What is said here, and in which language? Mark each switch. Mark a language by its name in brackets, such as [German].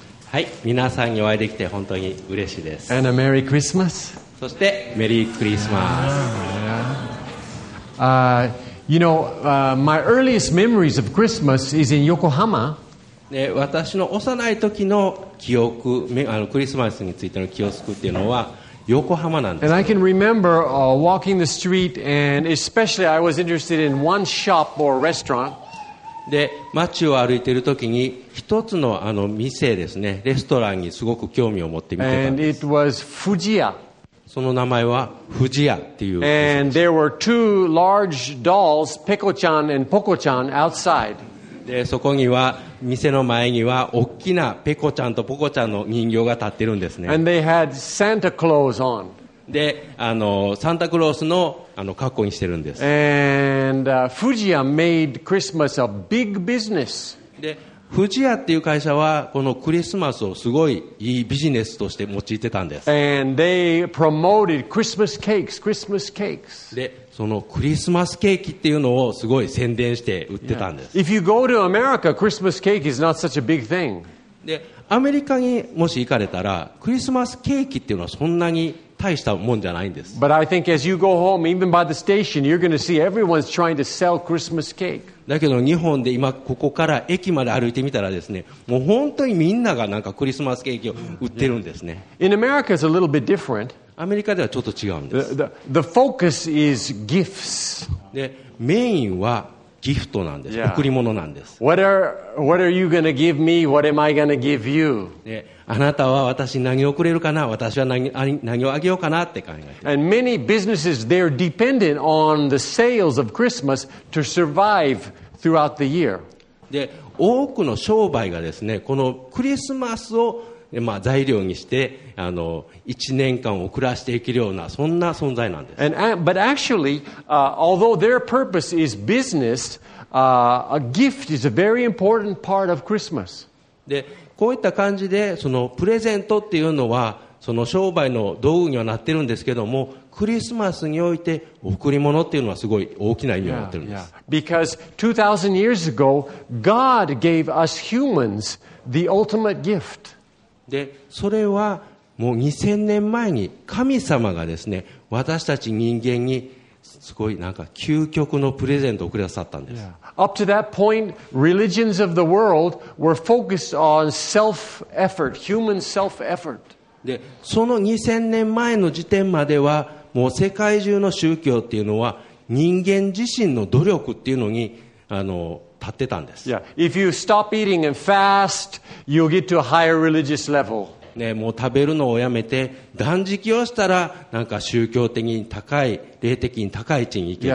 [Japanese] はい、皆さんにお会いできて本当に嬉しいです。 [English] And a Merry Christmas. [Japanese] そしてメリークリスマス。 [English] You know, my earliest memories of Christmas is in Yokohama. [Japanese] ね、私の幼い時の記憶、クリスマスについての記憶っていうのは横浜なんです。 [English] And I can remember walking the street, and especially I was interested in one shop or restaurant. [Japanese] で街を歩いている時に一つ の, あの店ですねレストランにすごく興味を持って見てたんです [English] And it was Fujiya. [Japanese] その名前は Fujiya っていう [English] And there were two large dolls Peko-chan and Poko-chan outside [Japanese] でそこには店の前には大きなペコちゃんとポコちゃんの人形が立ってるんですね [English] And they had Santa Claus on [Japanese] でサンタクロースの格好にしてるんです。 [English] And Fujiya made Christmas a big business. [Japanese] で、Fujiya っていう会社はこのクリスマスをすごいいいビジネスとして用いてたんです。 [English] And they promoted Christmas cakes, Christmas cakes. [Japanese] で、そのクリスマスケーキっていうのをすごい宣伝して売ってたんです。 [English] Yeah. If you go to America, Christmas cake is not such a big thing. [Japanese] で、アメリカにもし行かれたらクリスマスケーキっていうのはそんなに大したもんじゃないんです。 [English] But I think as you go home, even by the station, you're going to see everyone's trying to sell Christmas cake. [Japanese] だけど日本で今ここから駅まで歩いてみたらですね、もう本当にみんながなんかクリスマスケーキを売ってるんですね。 [English] In America, it's a little bit different. [Japanese] アメリカではちょっと違うんです。 [English] The focus is gifts. [Japanese] で、メインはギフトなんです。贈り物なんです。 [English] What are you going to give me? What am I going to give you? [Japanese] で、あなたは私に何をくれるかな私は 何をあげようかなって考えて。 [English] And many businesses, they're dependent on the sales of Christmas to survive throughout the year. [Japanese] で、多くの商売がですね、このクリスマスを、まあ、材料にして、1年間を暮らしていけるような、そんな存在なんです。 [English] But actually, although their purpose is business, a gift is a very important part of Christmas. [Japanese] で、こういった感じでそのプレゼントっていうのはその商売の道具にはなってるんですけどもクリスマスにおいて贈り物っていうのはすごい大きな意味を持ってるんです。 [English] Yeah, yeah. Because 2000 years ago, God gave us humans the ultimate gift. [Japanese] で、それはもう2000年前に神様がですね、私たち人間にすごいなんか究極のプレゼントをくださったんです。 [English] Yeah. Up to that point, religions of the world were focused on self-effort, human self-effort. [Japanese] で、その2000年前の時点までは、もう世界中の宗教っていうのは人間自身の努力っていうのに立ってたんです。 [English] Yeah. If you stop eating and fast, you'll get to a higher religious level. [Japanese] ね、もう食べるのをやめて断食をしたらなんか宗教的に高い霊的に高い地に行ける。